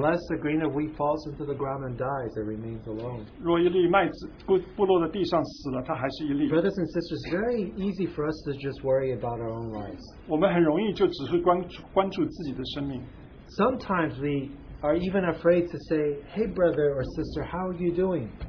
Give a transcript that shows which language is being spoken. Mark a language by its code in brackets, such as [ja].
[en] unless a grain of wheat falls into the ground and dies, it remains alone. [zh] 若一粒麦子不落在地上死了, 它还是一粒。 [en] Brothers and sisters, it's very easy for us to just worry about our own lives. [zh] 我们很容易就只是关注自己的生命。 [en] Sometimes we are even afraid to say, hey brother or sister, how are you doing?